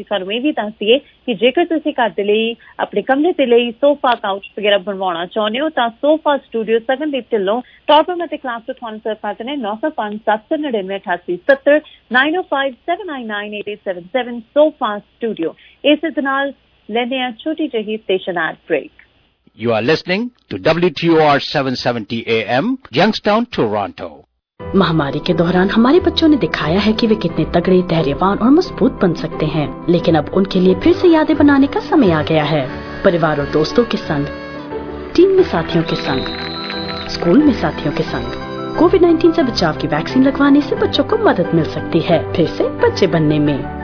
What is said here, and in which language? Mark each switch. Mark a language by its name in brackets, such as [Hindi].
[Punjabi] ਅਸੀਂ ਤੁਹਾਨੂੰ ਇਹ ਵੀ ਦੱਸਦੀਏ ਕਿ ਜੇਕਰ ਤੁਸੀਂ ਘਰ ਦੇ ਲਈ ਆਪਣੇ ਕਮਰੇ ਦੇ ਲਈ ਸੋਫਾ ਕਾਊਚ ਵਗੈਰਾ ਬਣਵਾਉਣਾ ਚਾਹੁੰਦੇ ਹੋ ਤਾਂ sofa studio Sagandeep Dhillon top room ਅਤੇ ਕਲਾਸ ਤੋਂ ਤੁਹਾਨੂੰ ਸਰਵ ਕਰਦੇ ਨੇ 905-799-7070 905-799-8877 ਸੋਫਾ ਸਟੂਡੀਓ। ਇਸ ਦੇ ਨਾਲ ਲੈਂਦੇ ਹਾਂ ਛੋਟੀ ਜਿਹੀ station add break. [English] You are listening to WTOR 770 AM, Youngstown, Toronto. [Hindi] महामारी के दौरान हमारे बच्चों ने दिखाया है कि वे कितने तगड़े, धैर्यवान और मजबूत बन सकते हैं, लेकिन अब उनके लिए फिर से यादें बनाने का समय आ गया है। परिवार और दोस्तों के संग, टीम में साथियों के संग, स्कूल में साथियों के संग कोविड 19 से बचाव की वैक्सीन लगवाने से बच्चों को मदद मिल सकती है फिर से बच्चे बनने में।